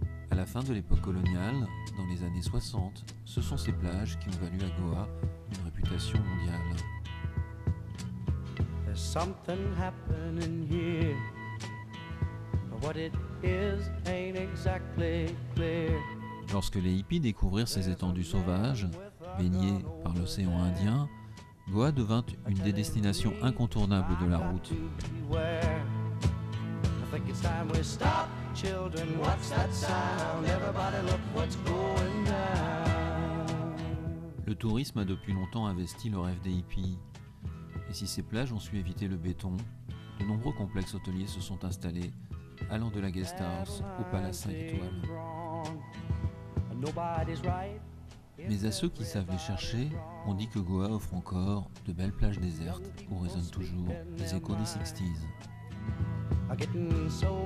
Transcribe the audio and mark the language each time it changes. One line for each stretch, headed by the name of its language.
French: À la fin de l'époque coloniale, dans les années 60, ce sont ces plages qui ont valu à Goa une réputation mondiale.
English: There's something happening here. What it is ain't exactly clear.
French: Lorsque les hippies découvrirent ces étendues sauvages, baignées par l'océan Indien, Goa devint une des destinations incontournables de la route.
English: Children, what's that sound? Everybody look what's going down.
French: Le tourisme a depuis longtemps investi le rêve des hippies. Et si ces plages ont su éviter le béton, de nombreux complexes hôteliers se sont installés, allant de la guest house au palace 5 étoiles. Mais à ceux qui savent les chercher, on dit que Goa offre encore de belles plages désertes où résonnent toujours les échos des 60s.